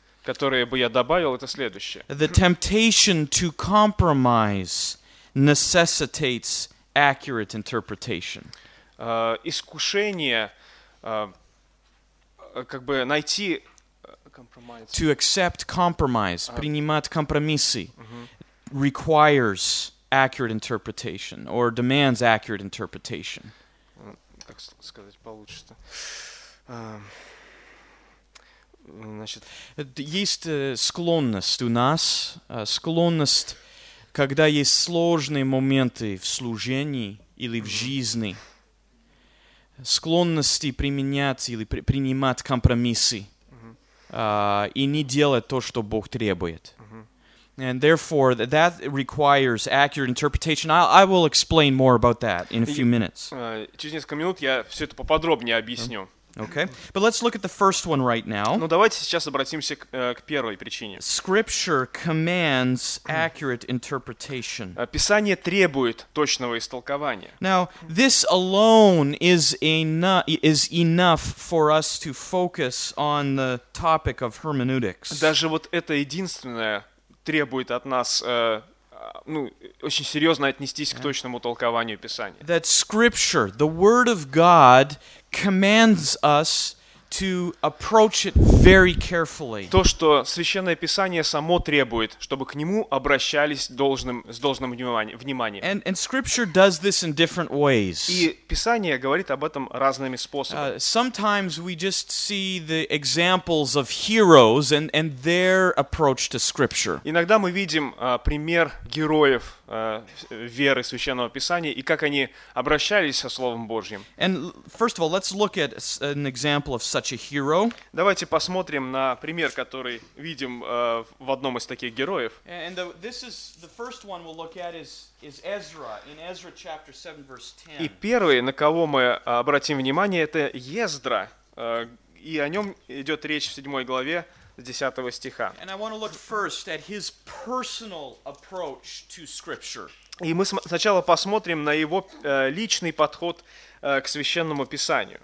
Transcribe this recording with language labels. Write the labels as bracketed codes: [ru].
[ru] Которое бы я добавил, это следующее. [en] The temptation to compromise necessitates accurate interpretation. [ru] Искушение, как бы найти... [en] To accept compromise, [ru] принимать компромиссы. [en] Requires accurate interpretation or demands accurate interpretation. [ru] Как сказать получше-то? Значит, есть склонность у нас, склонность, когда есть сложные моменты в служении или в жизни, склонности применять или принимать компромиссы и не делать то, что Бог требует. [en] And therefore, that requires accurate interpretation. I will explain more about that in a few minutes. [ru] Через несколько минут я все это поподробнее объясню. [en] Okay. But let's look at the first one right now. [ru] Ну, давайте сейчас обратимся к первой причине. [en] Scripture commands accurate interpretation. [ru] Писание требует точного истолкования. [en] Now, this alone is enough for us to focus on the topic of hermeneutics. [ru] Даже вот это единственное... требует от нас очень серьезно отнестись к точному толкованию Писания. [en] That Scripture, the Word of God, commands us to approach it very carefully. [ru] То, что Священное Писание само требует, чтобы к нему обращались с должным вниманием. [en] And Scripture does this in different ways. [ru] И Писание говорит об этом разными способами. [en] Sometimes we just see the examples of heroes and their approach to Scripture. [ru] Иногда мы видим пример героев веры Священного Писания и как они обращались со Словом Божьим. [en] And first of all, let's look at an example of such a hero. [ru] Давайте посмотрим на пример, который видим в одном из таких героев. [en] And this is the first one we'll look at is Ezra in Ezra chapter 7 verse 10. [ru] И первый, на кого мы обратим внимание, это Ездра, и о нем идет речь в 7 главе. [en] And I want to look first at his personal approach to Scripture. [ru] И мы сначала посмотрим на его личный подход к Священному Писанию.